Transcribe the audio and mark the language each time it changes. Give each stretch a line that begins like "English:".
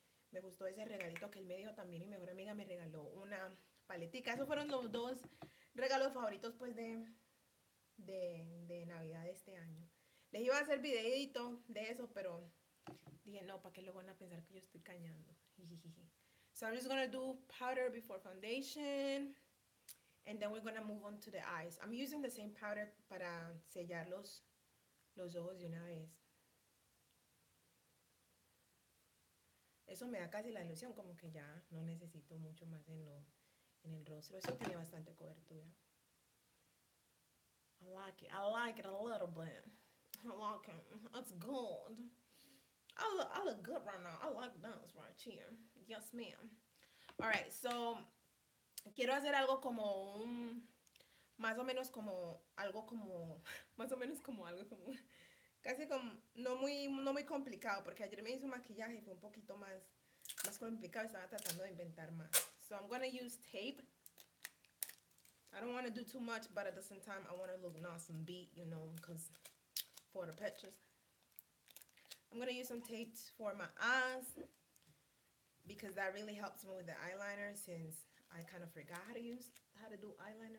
Spanish: Me gustó ese regalito que él me dio también. Mi mejor amiga me regaló una paletica. Esos fueron los dos regalos favoritos, pues, de Navidad de este año. Les iba a hacer videito de eso, pero dije, no, ¿para qué lo van a pensar que yo estoy cañando?
English: So I'm just gonna do powder before foundation, and then we're gonna move on to the eyes. I'm using the same powder
Spanish: para sellar los ojos de una vez. Eso me da casi la ilusión, como que ya no necesito mucho más en el rostro. Eso tiene bastante cobertura.
English: I like it a little bit. I like it. It's good. I look good right now. I like this right here. Yes, ma'am.
Spanish: Alright, so quiero hacer algo como no muy complicado, porque ayer me hice un maquillaje y fue un poquito más complicado. Estaba tratando de inventar más.
English: So I'm gonna use tape. I don't want to do too much, but at the same time, I want to look nice and beat, you know, because for the pictures. I'm going to use some tape for my eyes, because that really helps me with the eyeliner, since I kind of forgot how to do eyeliner.